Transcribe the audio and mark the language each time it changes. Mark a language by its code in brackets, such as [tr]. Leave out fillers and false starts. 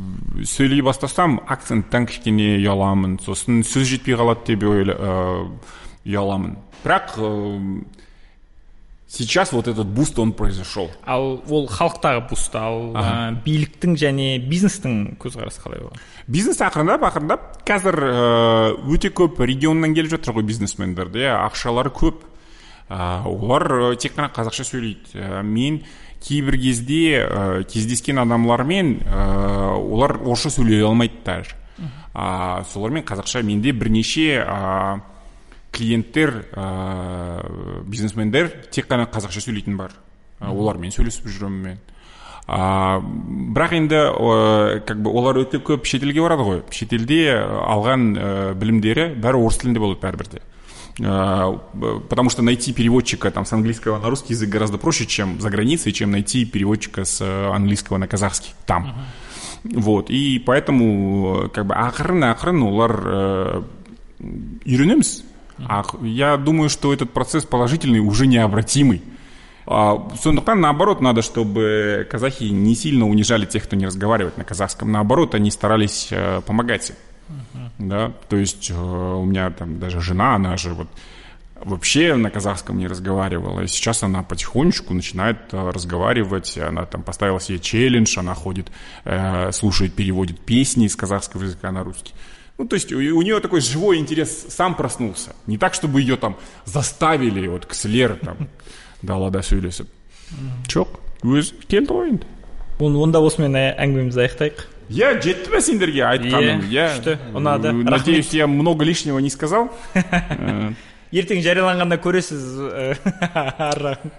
[kk] сөйлей бастасам, акценттан кішкене ұяламын, сосын сөз жетпей қалады деп ұяламын. Бірақ [ru] сейчас вот этот буст, он произошел. [kk] Ал ол халықтағы буст, ал биліктің және бизнестің көзқарасы қалай болған? Бизнес ақырындап, қазір өте көп регионнан келіп жатыр ғой бизнесмендер, де, ақшалары көп. Олар тек қана қазақша сөйлейді. Мен кейбір кезде кездескен адамлармен олар орысша сөйлей алмайды та. Солармен қазақша менде бірнеше клиенттер, бизнесмендер тек қана қазақша сөйлейтін бар. Олармен сөйлесіп жүрмін мен. Бірақ енді олар өте көп шетелге барады ғой. Шетелде алған білімдері бәрі орыс тілінде болады бәрібірде. [ru] Потому что найти переводчика там с английского на русский язык гораздо проще, чем за границей, чем найти переводчика с английского на казахский там. Вот. И поэтому [kk] ақырын-ақырын олар үйренеміз. [ru] Я думаю, что этот процесс положительный, уже необратимый. [kk] Сондықтан, [ru] наоборот, надо, чтобы казахи не сильно унижали тех, кто не разговаривает на казахском. Наоборот, они старались помогать им. Да, то есть у меня там даже жена, она же вот вообще на казахском не разговаривала. И сейчас она потихонечку начинает разговаривать. Она там поставила себе челлендж, она ходит, слушает, переводит песни из казахского языка на русский. Ну, то есть у нее такой живой интерес сам проснулся. Не так, чтобы ее там заставили, вот к слер там, да лада сөйлесіп. [kk] Чок, өз келді ғой енді. Онда осымен әңгімемізді аяқтайық. Я жетті ме сендерге айтқаным? Күшті, ұнады. [ru] Надеюсь, я много лишнего не сказал. [kk] Ертең жарияланғанда көресіз.